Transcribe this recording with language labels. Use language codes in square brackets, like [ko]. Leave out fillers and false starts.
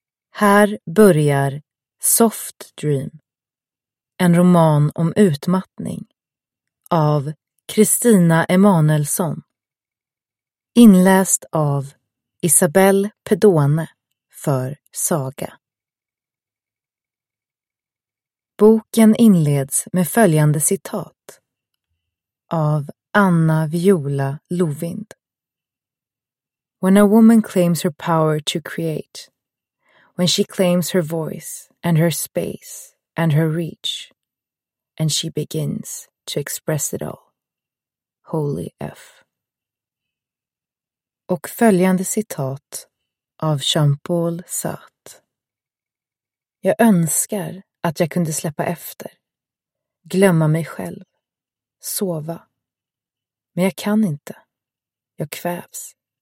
[sv] Här börjar Soft Dream, en roman om utmattning av Kristina Emanuelsson, inläst av Isabel Pedone för Saga. Boken inleds med följande citat av Anna Viola Lovind. [en] When a woman claims her power to create, when she claims her voice and her space and her reach, and she begins to express it all. Holy F. [sv] Och följande citat av Jean-Paul Sartre. Jag önskar att jag kunde släppa efter, glömma mig själv, sova. Men jag kan inte. Jag kvävs.